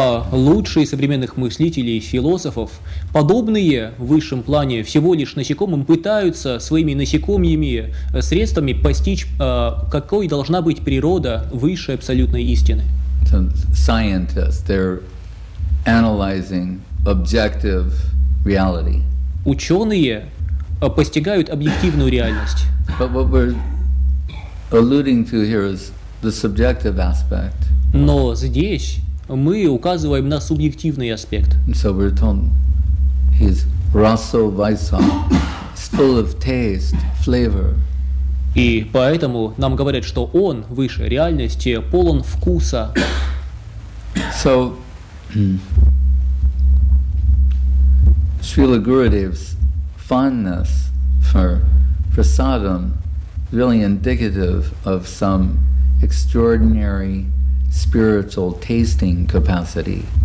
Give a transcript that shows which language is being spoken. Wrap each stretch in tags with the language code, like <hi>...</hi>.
<ru>лучшие современных мыслителей и философов, подобные в высшем плане всего лишь насекомым, пытаются своими насекомьими средствами постичь, какой должна быть природа высшей абсолютной истины.</ru> <en>Scientists, they're analyzing objective reality.</en> <ru>Ученые постигают объективную реальность.</ru> <en>But what we're alluding to here is the subjective aspect.</en> <ru>Но здесь мы указываем на субъективный аспект.</ru> <en>So we're told he's raso vaisa, full of taste, flavor.</en> <ru>И поэтому нам говорят, что он выше реальности полон вкуса.</ru> <en>So Srila Gurudev's fondness for sadhana is really indicative of some extraordinary spiritual tasting capacity.</en>